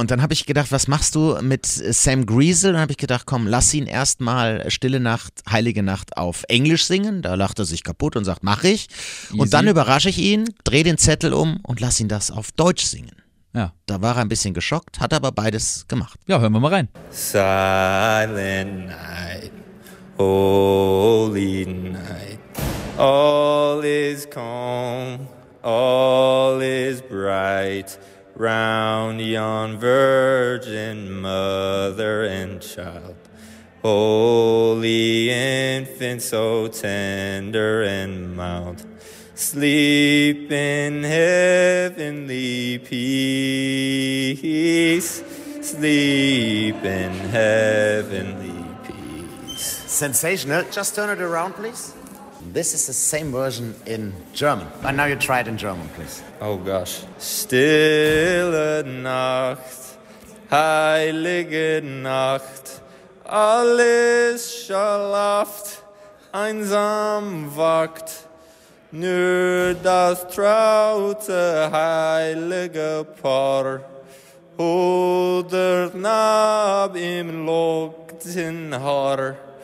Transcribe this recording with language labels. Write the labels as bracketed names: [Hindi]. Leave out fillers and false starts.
[German] Und dann habe ich gedacht, was machst du mit Sam Griesel? Dann habe ich gedacht, komm, lass ihn erstmal Stille Nacht, Heilige Nacht auf Englisch singen. Da lacht er sich kaputt und sagt, mach ich. [English] Easy. [German] Und dann überrasche ich ihn, drehe den Zettel um und lass ihn das auf Deutsch singen. Ja. Da war er ein bisschen geschockt, hat aber beides gemacht. Ja, hören wir mal rein. [English] Silent night, holy night, all is calm, all is bright, round yon virgin mother and child. Holy infant, so tender and mild, Sleep in heavenly peace. Sleep in heavenly peace. Sensational. Just turn it around, please. This is the same version in German. But now you try it in German, please. Oh, gosh. [German] Stille Nacht, heilige Nacht, alles schlaft, einsam wacht. Nur das traute heilige Paar holt nab im lockten Haar.